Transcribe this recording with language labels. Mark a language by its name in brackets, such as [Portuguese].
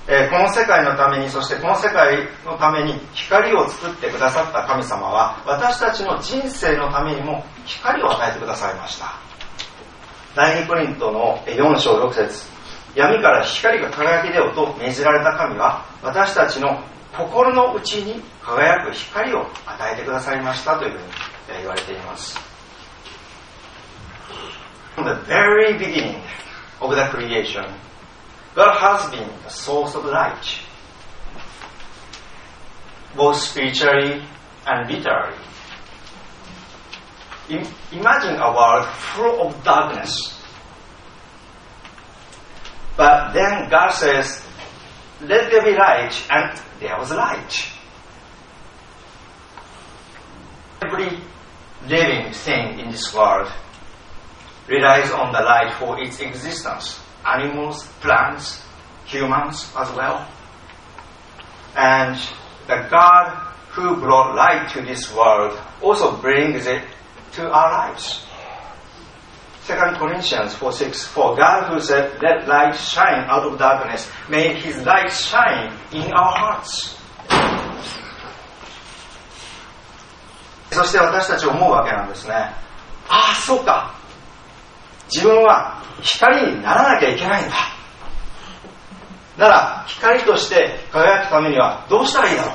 [Japanese] この世界のために、そしてこの世界のために光を作ってくださった神様は、私たちの人生のためにも光を与えてくださいました。第2コリントの4章6節、闇から光が輝き出ようと命じられた神は、私たちの心の内に輝く光を与えてくださいましたというふうに言われています。 [English] From the very beginning of the creation, God has been the source of light, both spiritually and literally. Imagine a world full of darkness. But then God says, let there be light, and there was light. Every living thing in this world relies on the light for its existence. Animals, plants, humans as well. And the God who brought light to this world also brings it to our lives. 2 Corinthians 4:6, for God who said, let light shine out of darkness, may his light shine in our hearts. [Japanese] そして私たち思うわけなんですね。ああ、そうか。自分は光にならなきゃいけないんだ。なら、光として輝くためにはどうしたらいいだろう。